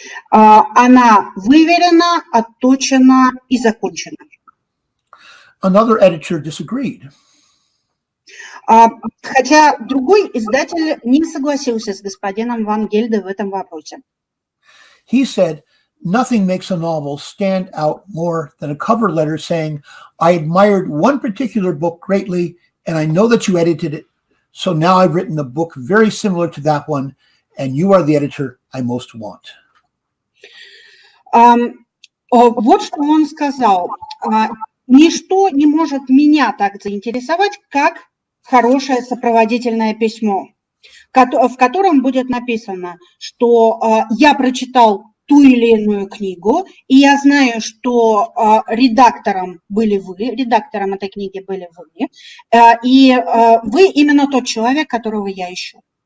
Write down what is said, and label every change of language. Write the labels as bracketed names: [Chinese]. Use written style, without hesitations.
[Russian] Она выверена, отточена и закончена. [English] Another editor disagreed. [Russian] Хотя другой издатель не согласился с господином Ван Гельде в этом вопросе. [English] He said, "Nothing makes a novel stand out more than a cover letter saying, 'I admired one particular book greatly, and I know that you edited it, so now I've written a book very similar to that one, and you are the editor I most want.'" [Russian] Вот что он сказал. Ничто не может меня так заинтересовать, как хорошее сопроводительное письмо, в котором будет написано, что я прочитал ту или иную книгу, и я знаю, что редактором этой книги были вы, и вы именно тот человек, которого я ищу.